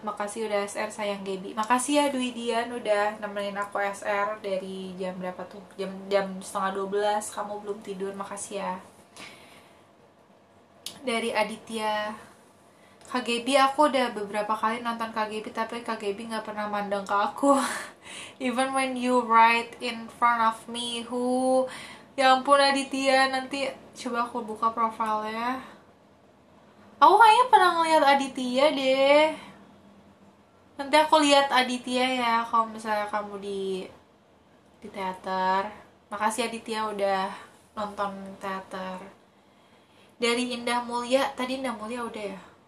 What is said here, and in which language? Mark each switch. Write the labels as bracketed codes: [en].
[id] Makasih udah SR, sayang Gaby. Makasih ya Dwi Dian udah nemenin aku SR dari jam berapa tuh? Jam 11:30 kamu belum tidur, makasih ya. dari Aditya KGB. Aku udah beberapa kali nonton KGB, tapi KGB nggak pernah mandang ke aku. [en] Even when you right in front of me, who? [id] Ya ampun Aditya, nanti coba aku buka profilnya. Aku kayaknya pernah ngeliat Aditya deh. Nanti aku lihat Aditya ya, kalau misalnya kamu di teater. Makasih Aditya udah nonton teater. Dari Indah Mulia, tadi Indah Mulia udah ya.